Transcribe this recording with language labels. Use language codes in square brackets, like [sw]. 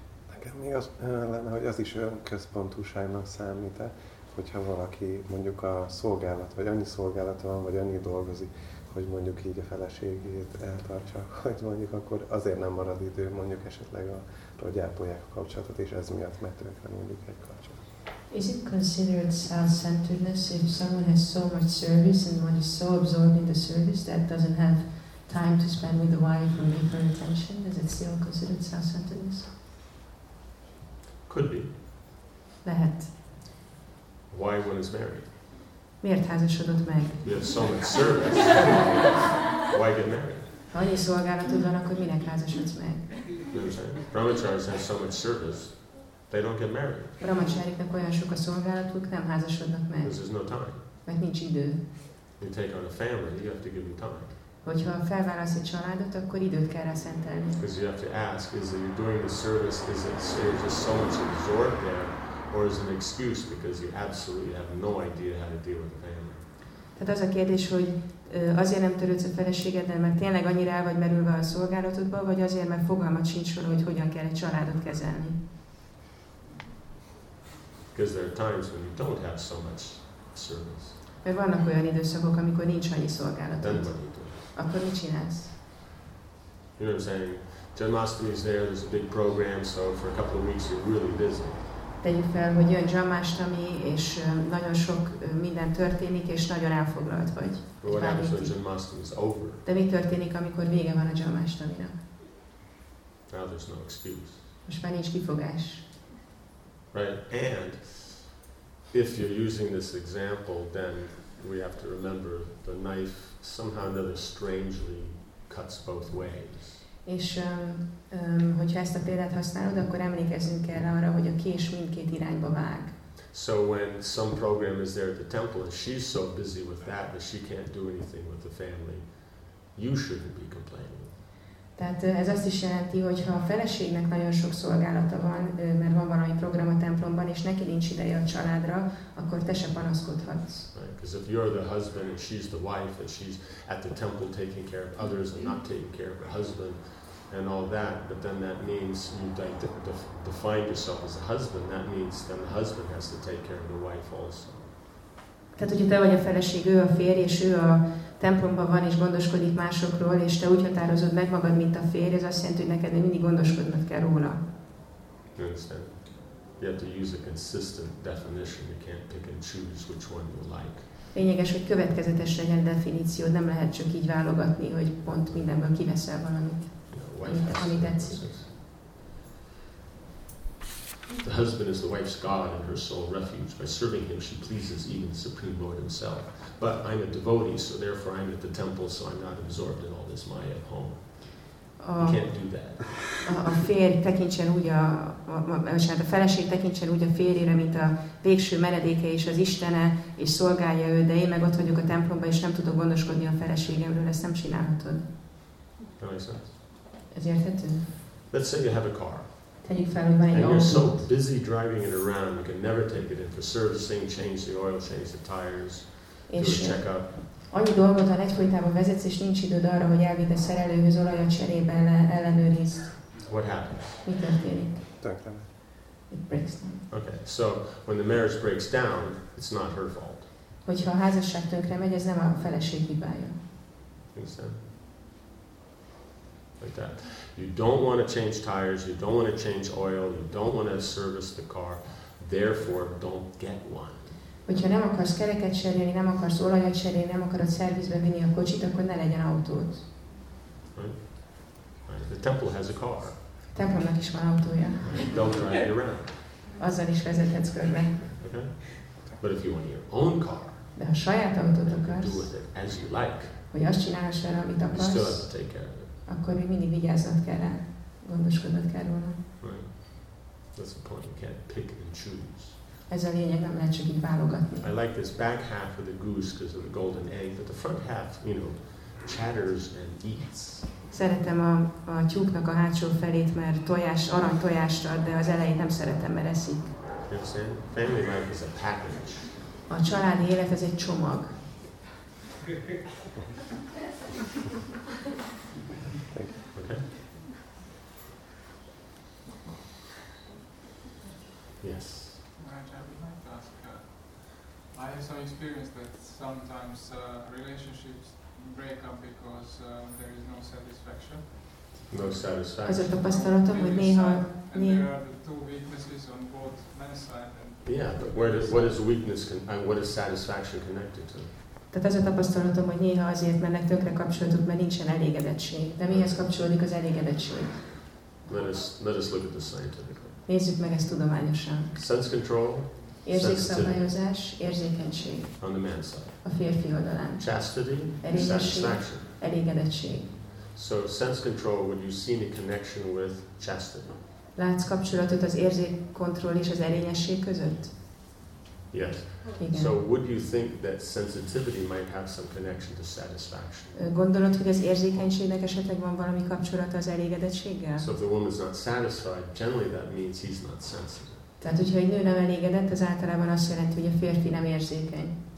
[hu] Nekem még az lenne, hogy az is önközpontúságnak számít-e, hogyha valaki mondjuk a szolgálat, vagy annyi szolgálata van, vagy annyi dolgozik, hogy mondjuk így a feleségét eltartsa, hogy mondjuk akkor azért nem marad idő, mondjuk esetleg arra, hogy ápolják a kapcsolatot, és ez miatt megtönkre mondjuk egy kapcsolat. [en] Is it considered self-centeredness if someone has so much service and one is so absorbed in the service that doesn't have time to spend with the wife or give her attention? Is it still considered self-centeredness? Could be. [hu] Lehet. [en] Why one is married? [hu] Miért házasodott meg? [en] You have so much service. Why get married? [hu] Ha annyi szolgálatod van, akkor minek házasodsz meg? [en] You know what I'm saying? Brahmacharis have so much service, they don't get married. [hu] Brahmacháriknak olyan sok a szolgálatuk, nem házasodnak meg. [en] Because there's no time. [hu] Mert nincs idő. [en] You take on a family, you have to give them time. [hu] Hogyha felválasz egy családot, akkor időt kell rá szentelni. [en] Because you have to ask, is that you're doing the service, is it just so much absorbed there, or is it an excuse because you absolutely have no idea how to deal with the family. [hu] Tehát az a kérdés, hogy azért nem törődsz a feleségeddel, mert tényleg annyira el vagy merülve a szolgálatodba, vagy azért, mert fogalmat sincs róla, hogy hogyan kell egy családot kezelni. [en] Because there are times when you don't have so much service. [hu] Mert vannak olyan időszakok, amikor nincs annyi szolgálatod. Akkor mit csinálsz? [en] You know what I'm saying? Jamastami is there, there's a big program, so for a couple of weeks you're really busy. [hu] Tegyük fel, hogy jön Jamastami, és nagyon sok minden történik, és nagyon elfoglalt vagy. [en] But what happens when Jamastami is over? [hu] De mi történik, amikor vége van a Jamastaminak? [en] Now there's no excuse. [hu] Most már nincs kifogás. [en] Right, and if you're using this example, then we have to remember the knife somehow or another strangely cuts both ways. [hu] És hogyha ezt a példát használod, akkor emlékezzünk erre arra, hogy a kés mindkét irányba vág. [en] So when some program is there at the temple and she's so busy with that that she can't do anything with the family, you shouldn't be complaining. [hu] Tehát ez azt is jelenti, hogy ha a feleségnek nagyon sok szolgálata van, mert van valami program a templomban, és neki nincs ideje a családra, akkor te se panaszkodhatsz. [en] Because if you're the husband and she's the wife and she's at the temple taking care of others and not taking care of her husband and all that, but then that means you define yourself as a husband, that means then the husband has to take care of the wife also. [hu] Tehát, hogyha te vagy a feleség, ő a férj, és ő a templomban van, és gondoskodik másokról, és te úgy határozod meg magad, mint a férj, ez azt jelenti, hogy neked mindig gondoskodnod kell róla. [en] You understand? You have to use a consistent definition. You can't pick and choose which one you like. [hu] Lényeges, hogy következetes legyen definíció. Nem lehet csak így válogatni, hogy pont mindenből kiveszel valamit, ami tetszik. [en] The husband is the wife's god and her sole refuge. By serving him, she pleases even the Supreme Lord himself. But I'm a devotee, so therefore I'm at the temple, so I'm not absorbed in all this maya at home. You can't do that. [hu] A férj tekintsen úgy a feleség tekintsen úgy a férjére, mint a végső menedéke és az Istene, és szolgálja ő, de én meg ott vagyok a templomban, és nem tudok gondoskodni a feleségemről, ezt nem csinálhatod. Ez érthető? [en] Let's say you have a car. And you're so busy driving it around, you can never take it in for servicing, change the oil, change the tires, do a checkup. [hu] Annyi dolgot, ha egyfolytában vezetsz, és nincs időd arra, hogy elvidd a szerelőhöz, olajat cserébe ellenőrizd. [en] What happens? [hu] Mi történik? Tönkrement. [en] It breaks down. Okay, so when the marriage breaks down, it's not her fault. [hu] Hogyha a házasság tönkre megy, ez nem a feleség hibája. [en] Understand? Like that. You don't want to change tires, you don't want to change oil, you don't want to service the car, therefore don't get one. [hu] Hogyha nem akarsz kereket cserélni, nem akarsz olajat cserélni, nem akarod szervizbe vinni a kocsit, akkor ne legyen autód. [en] Right. The temple has a car. [hu] A templomnak is van autója. [en] Don't drive it around. [hu] Azzal is vezethetsz körbe. [en] Okay. But if you want your own car, [hu] de ha saját autót akarsz, [en] do with it as you like, [hu] hogy azt csinálhass vele, amit akarsz, [en] you still have to take care of it. [hu] Akkor még mindig vigyáznod kell rá, gondoskodnod kell róla. [en] Right. That's the point. You can't pick and choose. [hu] Ez a lényeg, nem lehet csak így válogatni. [en] I like this back half of the goose because of the golden egg, but the front half, you know, chatters and eats. [hu] Szeretem a tyúknak a hátsó felét, mert tojás, arany tojást ad, de az elejét nem szeretem, mert eszik. [en] You understand? Family life is a package. [hu] A családi élet ez egy csomag. [en] Yes. Maharaj, I would like to ask, I have some experience that sometimes relationships break up because there is no satisfaction. No satisfaction. [hu] Ez a tapasztalatom, hogy néha... [en] And there are the two weaknesses on both men's side. And yeah, but where does, what is weakness and what is satisfaction connected to? [hu] Tehát ez a tapasztalatom, hogy néha azért mennek tökre kapcsolatok, mert nincsen elégedettség. De mihez kapcsolódik az elégedettség? [en] Let us look at this scientifically. [hu] Nézzük meg ezt tudományosan. [en] Sense control, [hu] érzékszabályozás, érzékenység. [en] On the man's side. [hu] A férfi oldalán. [en] Chastity, satisfaction. [hu] Elégedettség. [en] So sense control, would you see the connection with chastity? [hu] Látsz kapcsolatot az érzékkontroll és az erényesség között? [en] Yes. [hu] Igen. [en] So would you think that sensitivity might have some connection to satisfaction? [hu] Gondolod, hogy az érzékenységnek esetleg van valami kapcsolata az elégedettséggel? [en] So if the woman is not satisfied, generally that means he's not sensitive. [hu] Tehát, hogyha egy nő nem elégedett, az általában azt jelenti, hogy a férfi nem érzékeny.